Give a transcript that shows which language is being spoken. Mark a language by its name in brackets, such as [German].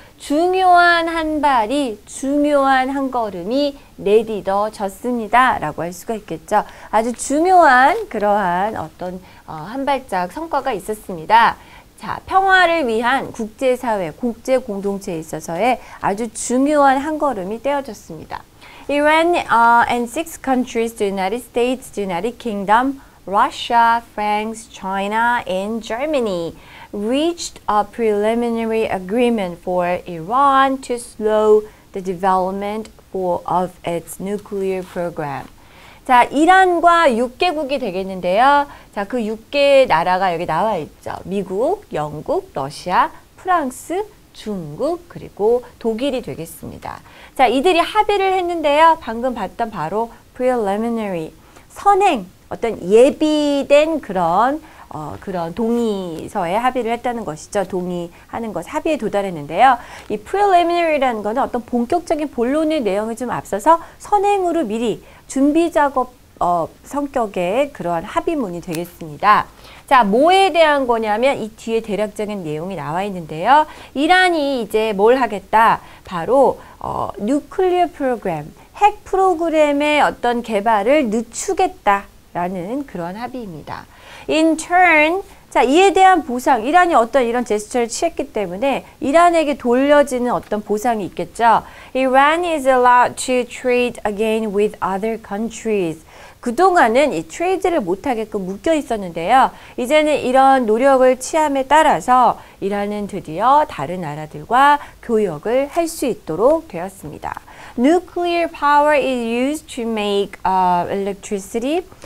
[Korean] 중요한 한 발이, 중요한 한 걸음이 내딛어졌습니다 라고 할 수가 있겠죠. 아주 중요한 그러한 어떤 한 발짝 성과가 있었습니다. 자, 평화를 위한 국제사회, 국제공동체에 있어서의 아주 중요한 한 걸음이 떼어졌습니다. [English] Iran and six countries, the United States, the United Kingdom, Russia, France, China, and Germany reached a preliminary agreement for Iran to slow the development of its nuclear program. [Korean] 자, 이란과 6개국이 되겠는데요. 자, 그 6개 나라가 여기 나와 있죠. 미국, 영국, 러시아, 프랑스, 중국, 그리고 독일이 되겠습니다. 자, 이들이 합의를 했는데요. 방금 봤던 바로 preliminary, 선행. 어떤 예비된 그런 그런 동의서에 합의를 했다는 것이죠. 동의하는 것, 합의에 도달했는데요. 이 preliminary라는 것은 어떤 본격적인 본론의 내용이 좀 앞서서 선행으로 미리 준비 작업 성격의 그러한 합의문이 되겠습니다. 자, 뭐에 대한 거냐면 이 뒤에 대략적인 내용이 나와 있는데요. 이란이 이제 뭘 하겠다? 바로 nuclear program, 핵 프로그램의 어떤 개발을 늦추겠다. 라는 그런 합의입니다. In turn, 자, 이에 대한 보상, 이란이 어떤 이런 제스처를 취했기 때문에 이란에게 돌려지는 어떤 보상이 있겠죠. [English] Iran is allowed to trade again with other countries. [Korean] 그동안은 이 트레이드를 못하게끔 묶여 있었는데요. 이제는 이런 노력을 취함에 따라서 이란은 드디어 다른 나라들과 교역을 할 수 있도록 되었습니다. [English] Nuclear power is used to make electricity.